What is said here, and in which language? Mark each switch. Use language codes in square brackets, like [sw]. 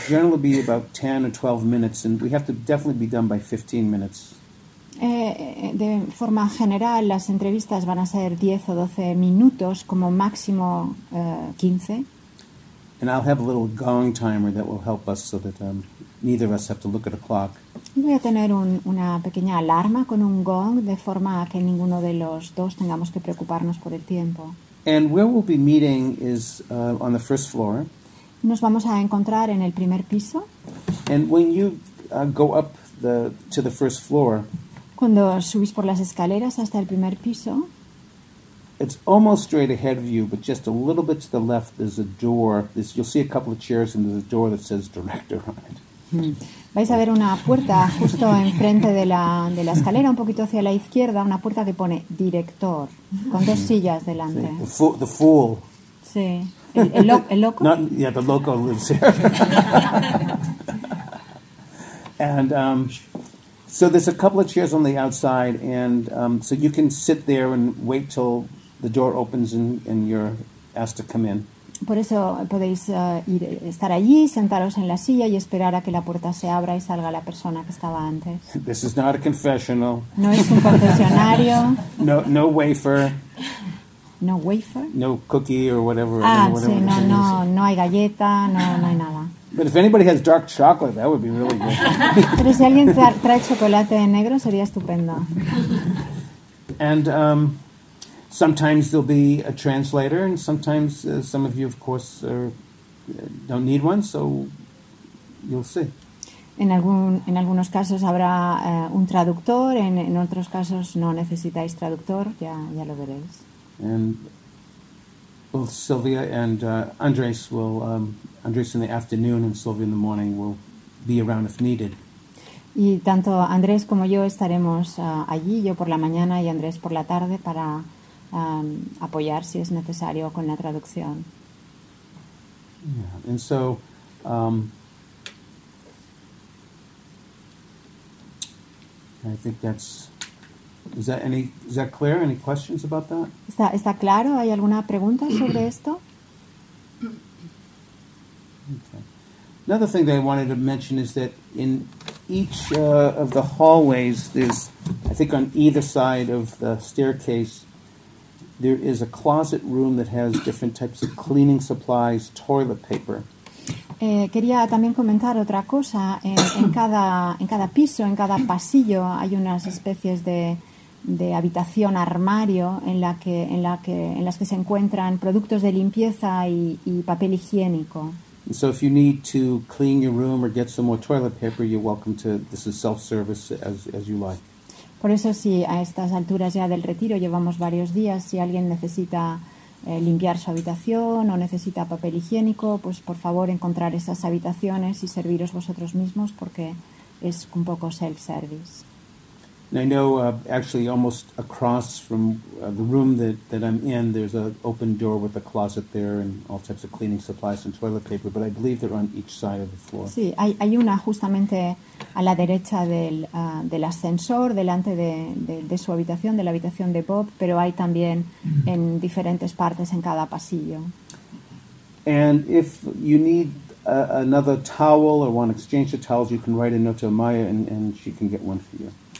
[en] Generally, it'll be about 10 or 12 minutes, and we have to definitely be done by 15 minutes. [es] De forma general, las entrevistas van a ser 10 o 12 minutos, como máximo 15. [en] And I'll have a little gong timer that will help us so that neither of us have to look at a clock. [es] Voy a tener una pequeña alarma con un gong, de forma que ninguno de los dos tengamos que preocuparnos por el tiempo. [en] And where we'll be meeting is on the first floor. [es] Nos vamos a encontrar en el primer piso. [en] And when you go up to the first floor... [es] Cuando subís por las escaleras hasta el primer piso, [en] it's almost straight ahead of you, but just a little bit to the left, there's a door. You'll see a couple of chairs, and there's a door that says director on it. [es] Vais a ver una puerta justo enfrente de la escalera, un poquito hacia la izquierda, una puerta que pone director, con dos sillas delante. [en] See, the fool. [es] Sí. El loco. [en] Not, yeah, the loco lives here. And... So there's a couple of chairs on the outside, and so you can sit there and wait till the door opens and you're asked to come in. [es] Por eso podéis ir, estar allí, sentaros en la silla y esperar a que la puerta se abra y salga la persona que estaba antes. [en] This is not a confessional. [es] No es un confesionario. [en] No, no wafer. No wafer. No cookie or whatever. Ah, whatever, [es] sí, no hay galleta, no hay nada. [en] But if anybody has dark chocolate, that would be really good. [es] Pero si alguien trae chocolate de negro, sería estupendo. [en] And sometimes there'll be a translator, and sometimes some of you, of course, don't need one, so you'll see. [es] En algunos casos habrá un traductor, en otros casos no necesitáis traductor, ya lo veréis. [en] And both Sylvia and Andres will, Andres in the afternoon and Sylvia in the morning will be around if needed. [es] Y tanto Andrés como yo estaremos allí, yo por la mañana y Andrés por la tarde, para apoyar si es necesario con la traducción. [en] Yeah. And so, I think that's, is that clear? Any questions about that? [es] ¿Está claro? ¿Hay alguna pregunta sobre esto? [en] Another thing that I wanted to mention is that in each of the hallways, there's, I think on either side of the staircase, there is a closet room that has different types of cleaning supplies, toilet paper. [es] Quería también comentar otra cosa. En cada piso, en cada pasillo, hay unas especies de habitación armario en las que se encuentran productos de limpieza y papel higiénico. [en] And so if you need to clean your room or get some more toilet paper, you're welcome to, this is self-service as you like. [es] Por eso sí, a estas alturas ya del retiro, llevamos varios días, si alguien necesita limpiar su habitación o necesita papel higiénico, pues por favor encontrar esas habitaciones y serviros vosotros mismos, porque es un poco self-service. [en] And I know actually almost across from the room that I'm in, there's an open door with a closet there and all types of cleaning supplies and toilet paper, but I believe they're on each side of the floor. [es] Sí, hay una justamente a la derecha del ascensor, delante de su habitación, de la habitación de Bob, pero hay también en diferentes partes en cada pasillo. [en] And if you need another towel or want to exchange the towels, you can write a note to Maya and she can get one for you.